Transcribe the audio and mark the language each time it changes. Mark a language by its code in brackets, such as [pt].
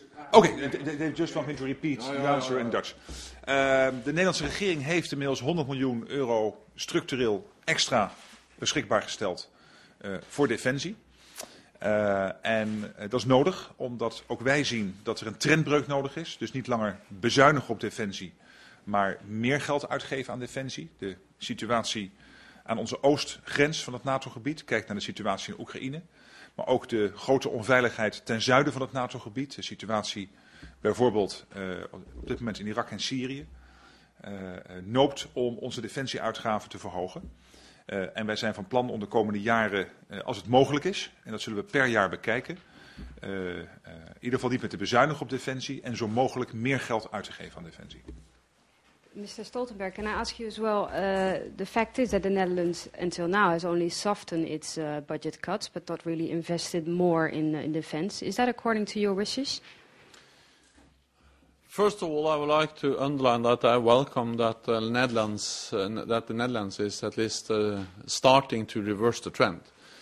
[en] Okay, they just want me to repeat the answer in Dutch. [nl] De Nederlandse regering heeft inmiddels 100 miljoen euro structureel extra beschikbaar gesteld voor defensie. En dat is nodig, omdat ook wij zien dat er een trendbreuk nodig is. Dus niet langer bezuinigen op defensie, maar meer geld uitgeven aan defensie. De situatie aan onze oostgrens van het NATO-gebied, kijk naar de situatie in Oekraïne. Maar ook de grote onveiligheid ten zuiden van het NATO-gebied. De situatie bijvoorbeeld op dit moment in Irak en Syrië noopt om onze defensieuitgaven te verhogen. En wij zijn van plan om de komende jaren, als het mogelijk is, en dat zullen we per jaar bekijken, in ieder geval niet meer te bezuinigen op defensie en zo mogelijk meer geld uit te geven aan defensie. [en] Mr. Stoltenberg, can I ask you as well, the fact is that the Netherlands until now has only softened its budget cuts, but not really invested more in defense. Is that according to your wishes? First of all, I would like to underline that I welcome that, that the Netherlands is at least starting to reverse the trend.